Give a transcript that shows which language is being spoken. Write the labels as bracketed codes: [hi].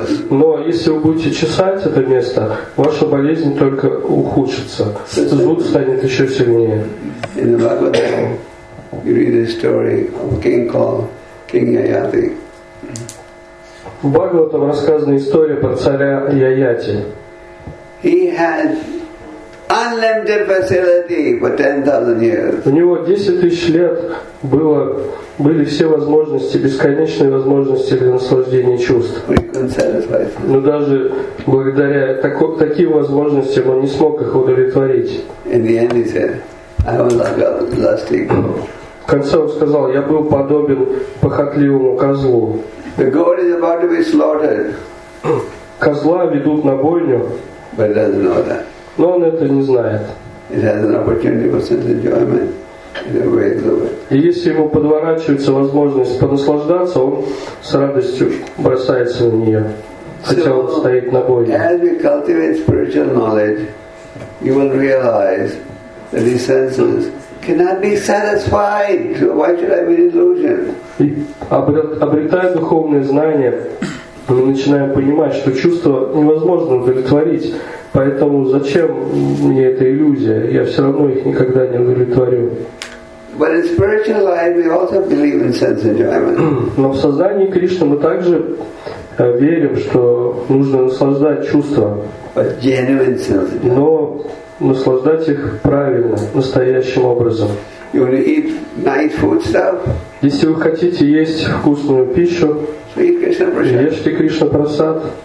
[ru] Но если вы будете чесать это место, ваша болезнь только ухудшится. Зуд станет еще сильнее. [en] In the Bhagavatam, you read the story of a king called King Yayati. [ru] В Бхагаватам рассказана история про царя Яяти. [en] He had unlimited facility for 10,000 years. [ru] У него 10,000 лет были все возможности, бесконечные возможности для наслаждения чувств. Но даже благодаря таким возможностям он не смог их удовлетворить. [en] In the end he said, I was like a lusty goat. [ru] В конце он сказал, я был подобен похотливому козлу. [en] The goat is about to be slaughtered. [ru] Козла ведут на бойню. [en] But it doesn't know that. [ru] Но он это не знает. [en] It has an opportunity for sense enjoyment. It waits over. [ru] И если ему подворачивается возможность понаслаждаться, он с радостью бросается на нее, хотя он стоит на бойне. [en] As we cultivate spiritual knowledge, you will realize that these senses cannot be satisfied. Why should I be illusion? [ru] Обретая духовные знания, мы начинаем понимать, что чувство невозможно удовлетворить. Поэтому зачем мне эта иллюзия? Я все равно их никогда не удовлетворю. [en] But in spiritual life, we also believe in sense enjoyment. [ru] Но в сознании Кришны мы также верим, что нужно наслаждать чувства. [en] But genuine sense enjoyment. [ru] Но наслаждать их правильно, настоящим образом. [en] You want to eat nice food stuff? [ru] Если вы хотите есть вкусную пищу, ешьте Кришна прасад.